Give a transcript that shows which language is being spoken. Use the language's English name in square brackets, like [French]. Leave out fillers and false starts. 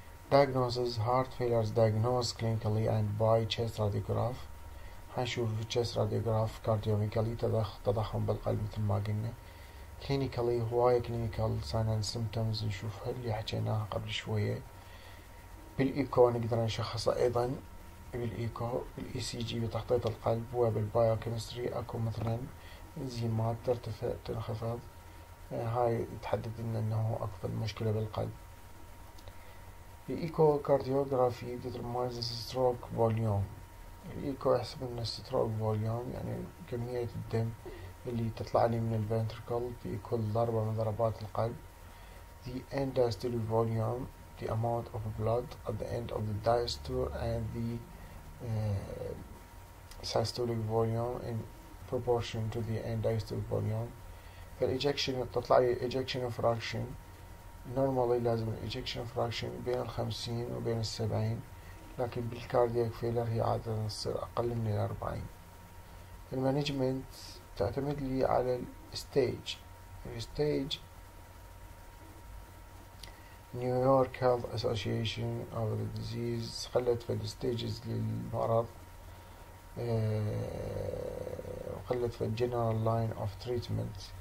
[English] diagnoses heart failures diagnosed clinically and by chest radiograph, [Arabic] هنشوف [English] chest radiograph cardiomegaly [Arabic] تضخم بالقلب مثل ما قلنا. clinically هواية [English] clinical signs and symptoms [Arabic] نشوفها اللي حكيناها قبل شوية. بالإيكو نقدر نشخصها أيضا بالإيكو، بالإي سي جي بتخطيط القلب، وبالبايو كيمستري أكو مثلا إنزيمات ترتفع تنخفض، هاي تحدد لنا إنه أكو مشكلة بالقلب. الإيكو كارديوغرافي بتترمز الستروك فوليوم، الإيكو يحسب لنا الستروك فوليوم يعني كمية الدم اللي تطلع لي من الفنتركل في كل ضربة من ضربات القلب. [English] The end diastole volume, the amount of blood at the end of the diastole, and the systolic volume in proportion to the end diastole volume. The ejection, [Arabic] تطلع لي [English] ejection fraction. [Arabic] Normally لازم ال ejection fraction بين 50 وبين 70، لكن بالكاردياك فيلر هي عادة تصير أقل من 40. المانجمنت تعتمد لي على الستيج، الستيج نيويورك هيلث اسوسيشن اوف ذا ديزيز خلت في الستيجز للمرض، وخلت في الجنرال لاين اوف تريتمنت.